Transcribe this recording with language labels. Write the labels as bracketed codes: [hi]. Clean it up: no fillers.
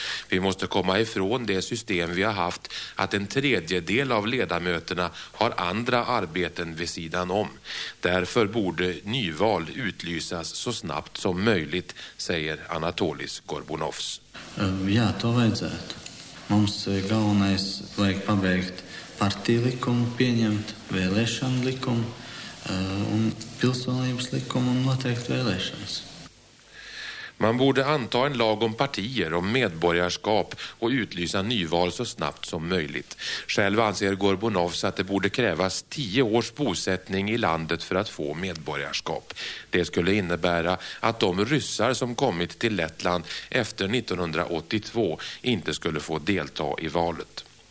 [sv] Vi måste komma ifrån det system vi har haft att en tredjedel av ledamöterna har andra arbeten vid sidan om. Därför borde nyval utlysas så snabbt som möjligt, säger Anatolijs Korbunovs. [lv] Ja, to vajadzētu. Mums galvenais vajag pabeigt partiju likumu pieņemt, vēlēšanu likumu un pilsonības likumu un noteikt vēlēšanas. [sv] Man borde anta en lag om partier, om medborgarskap och utlysa nyval så snabbt som möjligt. Själv anser Gorbunovs att det borde krävas 10 års bosättning i landet för att få medborgarskap. Det skulle innebära att de ryssar som kommit till Lettland efter 1982 inte skulle få delta i valet.